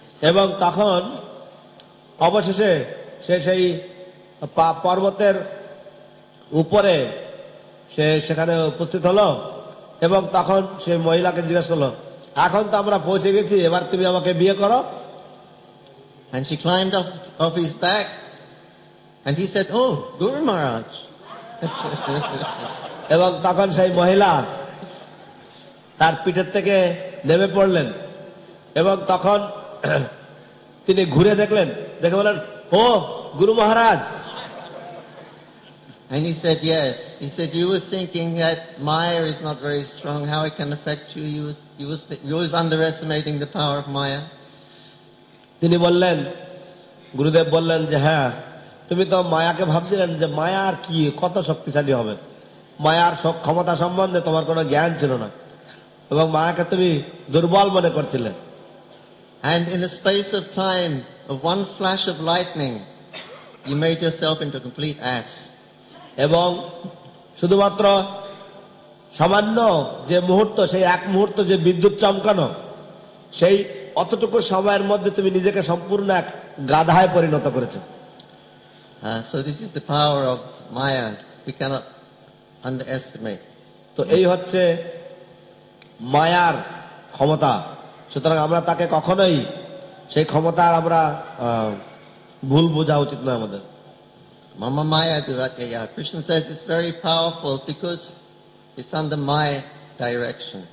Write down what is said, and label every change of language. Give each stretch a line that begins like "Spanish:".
Bangla: এবং তখন অবশেষে সে সেই পর্বতের উপরে সে সেখানে উপস্থিত হলো এবং তখন সে মহিলাকে জিজ্ঞেস করলো, এখন তো আমরা পৌঁছে গেছি, এবার তুমি আমাকে বিয়ে করো।
English: And she climbed up off his back and he said, oh, Guru Maharaj.
Bangla: এবং তখন সেই মহিলা তার পিঠের থেকে নেমে পড়লেন এবং তখন তিনি ঘুরে দেখলেন, দেখে বললেন, ও গুরু মহারাজ।
English: And he said, yes. He said, you were thinking that Maya is not very strong. How it can affect you? You were underestimating the power of Maya.
Bangla: তিনি বললেন, গুরুদেব বললেন যে হ্যাঁ, তুমি তো মায়াকে ভাবছিলেন যে মায়া আর কি কত শক্তিশালী হবে, মায়ার সব ক্ষমতা সম্বন্ধে তোমার কোনো জ্ঞান ছিল না এবং মায়াকে তুমি দুর্বল মনে করছিলে।
English: And in the space of time, of one flash of lightning, you made yourself into a complete ass.
Bangla: এবং শুধুমাত্র সামান্য যে মুহূর্ত, সেই এক মুহূর্ত যে বিদ্যুৎ চমকানো, সেই অতটুকু সময়ের মধ্যে তুমি নিজেকে সম্পূর্ণ এক গাধায় পরিণত করেছো।
English: So this is the power of Maya. We cannot underestimate.
Bangla: তো এই হচ্ছে মায়ার ক্ষমতা, সুতরাং আমরা তাকে কখনোই সেই ক্ষমতার আমরা ভুল বোঝা উচিত না আমাদের।
Sanskrit: Mama Maya Durakaya.
English: Krishna says it's very powerful because it's under my direction.